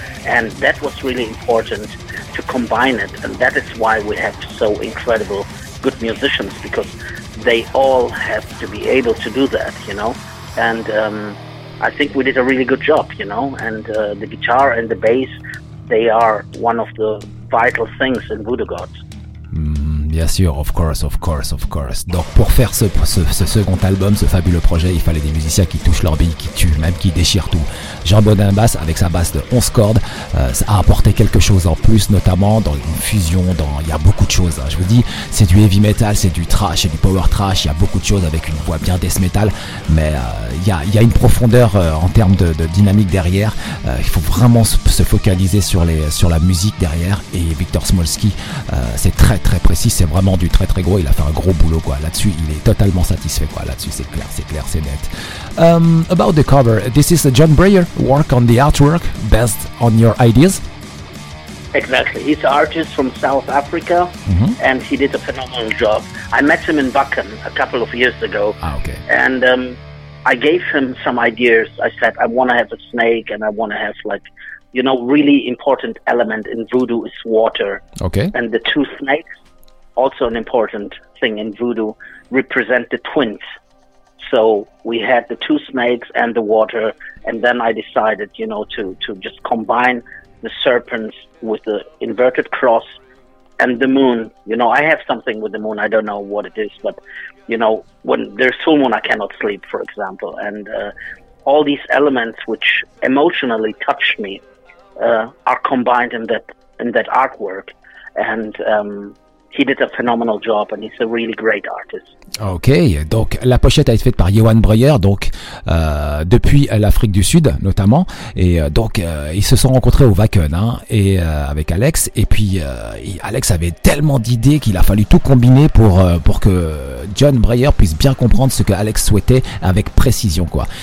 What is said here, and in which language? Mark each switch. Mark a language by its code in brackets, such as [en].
[en] And that was really important to combine it, and that is why we have so incredible good musicians, because they all have to be able to do that, you know. And I think we did a really good job, you know. And the guitar and the bass, they are one of the vital things in Voodoogods. [fr] Bien sûr, [en] of course. [fr] Donc pour faire ce second album, ce fabuleux projet, il fallait des musiciens qui touchent leur bille, qui tuent, même qui déchirent tout. Jean Bodin basse, avec sa basse de 11 cordes, ça a apporté quelque chose en plus, notamment dans une fusion, il y a beaucoup de choses. Hein. Je vous dis, c'est du heavy metal, c'est du thrash, c'est du power thrash, il y a beaucoup de choses avec une voix bien death metal, mais il y a une profondeur en termes de dynamique derrière. Il faut vraiment se focaliser sur la musique derrière, et Vitor Smolski, c'est très très précis. C'est vraiment du très très gros, il a fait un gros boulot, quoi. Là-dessus, il est totalement satisfait, quoi. Là-dessus, c'est clair, c'est net. [en] About the cover, this is a John Breyer work on the artwork based on your ideas? Exactly. He's an artist from South Africa, mm-hmm. and he did a phenomenal job. I met him in Buchen a couple of years ago. Ah, okay. And I gave him some ideas. I said, I want to have a snake, and I want to have, like, you know, really important element in voodoo is water. Okay. And the two snakes, also an important thing in voodoo, represent the twins. So we had the two snakes and the water, and then I decided, you know, to just combine the serpents with the inverted cross and the moon. You know, I have something with the moon, I don't know what it is, but, you know, when there's full moon, I cannot sleep, for example. And all these elements which emotionally touched me are combined in that artwork. And he did a phenomenal job, and he's a really great artist. [fr] Okay, donc la pochette a été faite par Johan Breyer, donc depuis l'Afrique du Sud notamment, et donc ils se sont rencontrés au Wacken, hein, et avec Alex, et puis Alex avait tellement d'idées qu'il a fallu tout combiner pour que John Breyer puisse bien comprendre ce que Alex souhaitait avec précision, quoi.